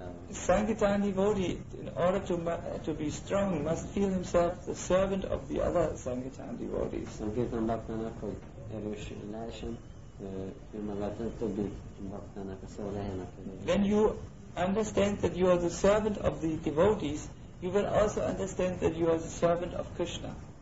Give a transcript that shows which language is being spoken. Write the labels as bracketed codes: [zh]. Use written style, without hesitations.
[en] Sankirtan devotee, in order to be strong, must feel himself the servant of the other Sankirtan devotees. [hu] Sankirtan bhaktának, hogy erős lehessen, ő magát a többi bhaktának a szolgájának. [en] When you understand that you are the servant of the devotees, you will also understand that you are the servant of Krishna.